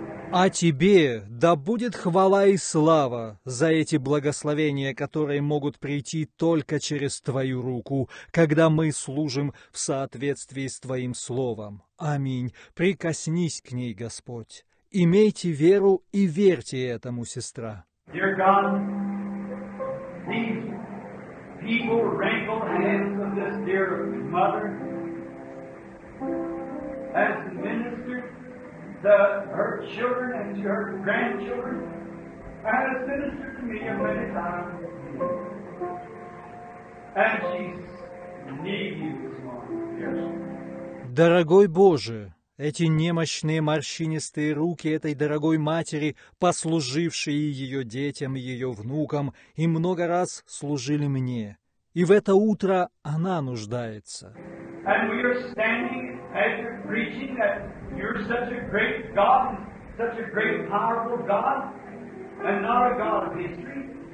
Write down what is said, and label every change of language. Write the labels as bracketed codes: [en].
[ru] А тебе да будет хвала и слава за эти благословения, которые могут прийти только через твою руку, когда мы служим в соответствии с твоим словом. Аминь. Прикоснись к ней, Господь. Имейте веру и верьте этому, сестра. [en] Dear God, these feeble, wrinkled hands of this dear mother has ministered to her children and to her grandchildren and has ministered to me many times. And she needs you this morning. Yes. [ru] Дорогой Боже, эти немощные морщинистые руки этой дорогой матери, послужившие ее детям, ее внукам, и много раз служили мне. И в это утро она нуждается. [en] And we are standing as you're preaching that you're such a great God, such a great powerful God, and not a God of history,